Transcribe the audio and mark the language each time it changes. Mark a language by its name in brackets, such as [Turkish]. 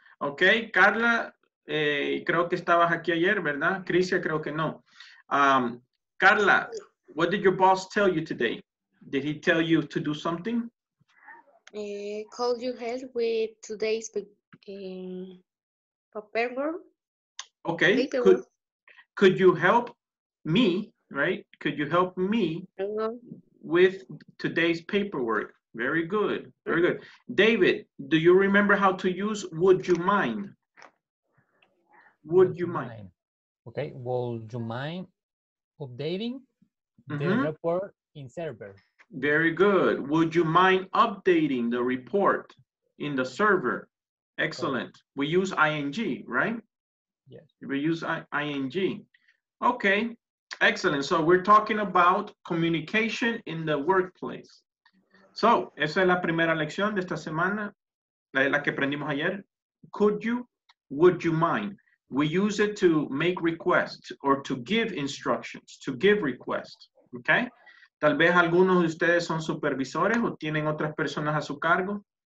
[Spanish] Okay, Carla, creo que estabas aquí ayer, ¿verdad? Crisia, creo que no. [English] Carla, what did your boss tell you today? Did he tell you to do something? Call you help with today's paperwork. Okay, could you help me, right? Could you help me with today's paperwork? Very good, very good. David, do you remember how to use would you mind? Would you mind? Okay, would you mind updating the report in server? Very good. Would you mind updating the report in the server? Excellent. We use ing, right? Yes. We use ing. Okay, excellent. So we're talking about communication in the workplace. [Spanish] So, esa es la primera lección de esta semana, la que aprendimos ayer. [English] Could you, would you mind? We use it to make requests or to give instructions, to give requests, okay? [Spanish] Tal vez algunos de ustedes son supervisores o tienen otras personas a su cargo.